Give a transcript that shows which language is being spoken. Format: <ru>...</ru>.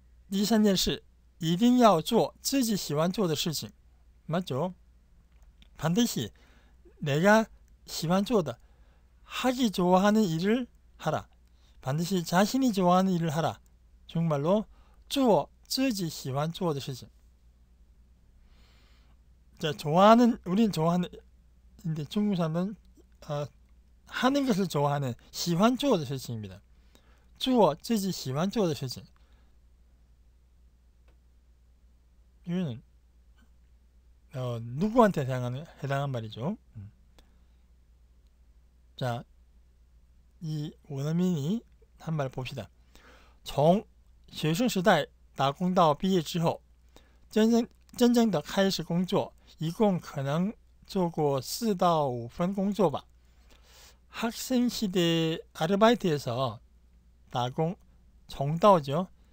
<zh>第三件事, 一定要做自己喜欢做的事情.</zh> <ko>맞죠? 반드시 내가</ko> <zh>喜欢做的,</zh> <ko>하기 좋아하는 일을 하라. 반드시 자신이 좋아하는 일을 하라. 중국말로</ko> <zh>做自己喜欢做的事情.</zh> <ko>자, 좋아하는, 우린 좋아하는, 근데 중국 사람은 하는 것을 좋아하는</ko> <zh>喜欢做的事情</zh> <ko>입니다.</ko> <zh>做自己喜欢做的事情.</zh> <ko>이거는 누구한테 해당한 말이죠? 자, 이 원어민이 한말 봅시다.</ko> <zh>从学生时代打工到毕业之后，真正的开始工作，一共可能做过4到5份工作吧。</zh> <ko>학생시대 아르바이트에서</ko> <zh>打工，从到</zh> <ko>죠，</ko>